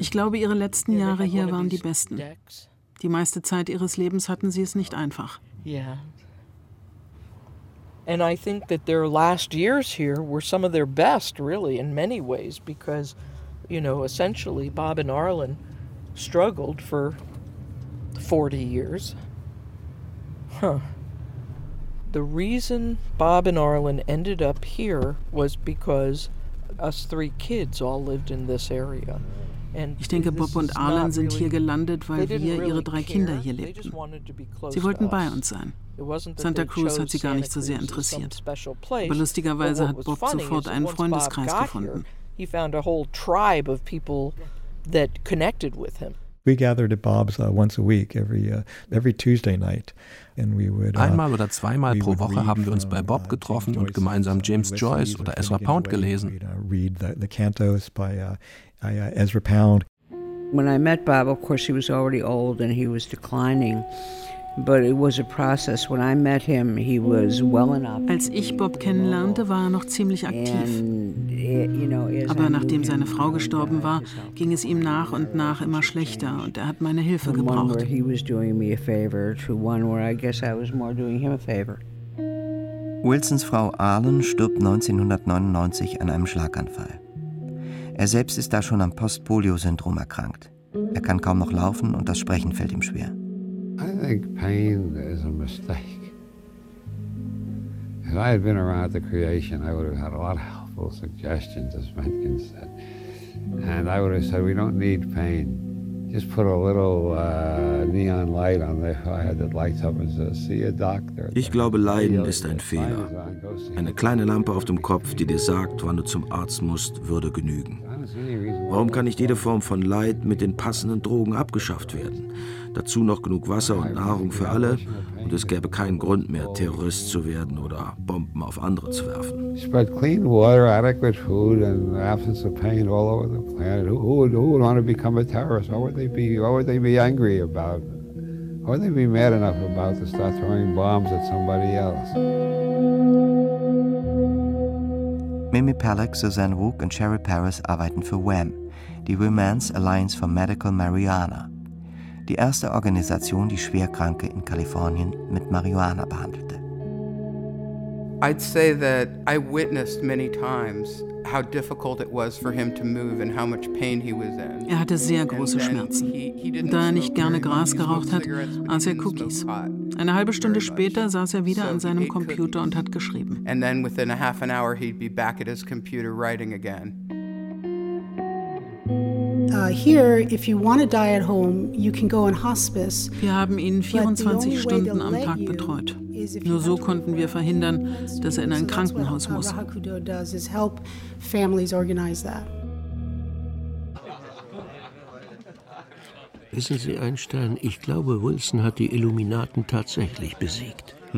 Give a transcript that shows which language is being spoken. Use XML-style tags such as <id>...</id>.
<de>Ich glaube, ihre letzten Jahre hier waren die besten. Die meiste Zeit ihres Lebens hatten sie es nicht einfach. Yeah.</de> <en>And I think that their last years here were some of their best, really, in many ways, because, you know, essentially Bob and Arlen struggled for 40 years. Huh. The reason Bob and Arlen ended up here was because us three kids all lived in this area.</en> <de>And ich denke, Bob und Arlen sind hier gelandet, weil wir ihre drei Kinder hier lebten. Sie wollten bei uns sein. Santa Cruz hat sie gar nicht so sehr interessiert. Aber lustigerweise hat Bob sofort einen Freundeskreis gefunden.</de> <en>He found a whole tribe of people that connected with him. We gathered at Bob's once a week, every Tuesday night, and we would.</en> <de>Einmal oder zweimal pro Woche haben wir uns bei Bob getroffen und gemeinsam James Joyce oder Ezra Pound gelesen.</de> <en>Read the cantos by Ezra Pound. When I met Bob, of course he was already old and he was declining, But it was a process. When I met him, he was well enough.</en> <de>Als ich Bob kennenlernte, war er noch ziemlich aktiv. Aber nachdem seine Frau gestorben war, ging es ihm nach und nach immer schlechter und er hat meine Hilfe gebraucht.</de> <en>He was doing me a favor to one where I guess I was more doing him a favor.</en> <de>Wilsons Frau Arlen stirbt 1999 an einem Schlaganfall. Er selbst ist da schon am Post-Polio-Syndrom erkrankt. Er kann kaum noch laufen und das Sprechen fällt ihm schwer.</de> <en>I think pain is a mistake. If I had been around the creation, I would have had a lot of helpful suggestions, as Mencken said. And I would have said, we don't need pain. Just put a little neon light on the fire that lights up and says, see a doctor.</en> <de>Ich glaube, Leiden ist ein Fehler. Eine kleine Lampe auf dem Kopf, die dir sagt, wann du zum Arzt musst, würde genügen. Warum kann nicht jede Form von Leid mit den passenden Drogen abgeschafft werden? Dazu noch genug Wasser und Nahrung für alle und es gäbe keinen Grund mehr, Terrorist zu werden oder Bomben auf andere zu werfen.</de> <en>Spread clean water, adequate food and absence of pain all over the planet. Who would want to become a terrorist? What would they be angry about? What would they be mad enough about to start throwing bombs at somebody else?</en> <de>Mimi Pellack, Suzanne Rook und Sherry Paris arbeiten für WAM, die Women's Alliance for Medical Marijuana, die erste Organisation, die Schwerkranke in Kalifornien mit Marihuana behandelte.</de> <en>I'd say that I witnessed many times how difficult it was for him to move and how much pain he was in.</en> <de>Er hatte sehr große Schmerzen. Da er nicht gerne Gras geraucht hat, aß er Cookies. Eine halbe Stunde später saß er wieder an seinem Computer und hat geschrieben.</de> <en>And then within a half an hour he'd be back at his computer writing again. Here, if you want to die at home, you can go in hospice.</en> <de>Wir haben ihn 24 Stunden am Tag betreut. Nur so konnten wir verhindern, dass er in ein Krankenhaus muss. Wissen Sie, Einstein, ich glaube, Wilson hat die Illuminaten tatsächlich besiegt.</de>